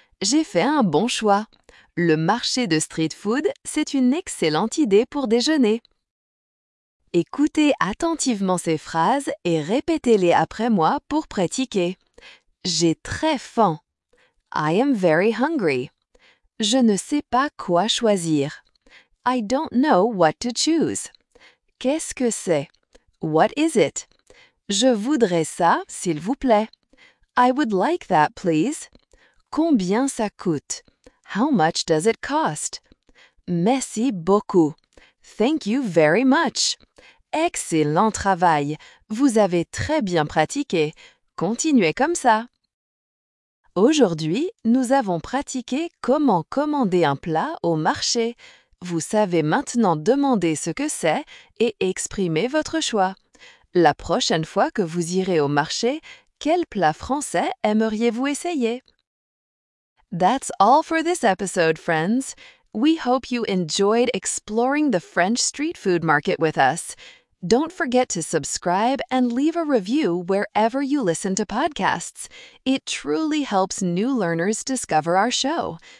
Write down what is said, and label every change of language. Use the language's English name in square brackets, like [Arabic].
[French] J'ai fait un bon choix. Le marché de street food, c'est une excellente idée pour déjeuner. Écoutez attentivement ces phrases et répétez-les après moi pour pratiquer. J'ai très faim. [English] I am very hungry. [French] Je ne sais pas quoi choisir. [English] I don't know what to choose. [French] Qu'est-ce que c'est? [English] What is it? [French] Je voudrais ça, s'il vous plaît. [English] I would like that, please. [French] Combien ça coûte? [English] How much does it cost? [French] Merci beaucoup. [English] Thank you very much. [French] Excellent travail. Vous avez très bien pratiqué. Continuez comme ça. Aujourd'hui, nous avons pratiqué comment commander un plat au marché. Vous savez maintenant demander ce que c'est et exprimer votre choix. La prochaine fois que vous irez au marché, quel plat français aimeriez-vous essayer? [English] That's all for this episode, friends. We hope you enjoyed exploring the French street food market with us. Don't forget to subscribe and leave a review wherever you listen to podcasts. It truly helps new learners discover our show.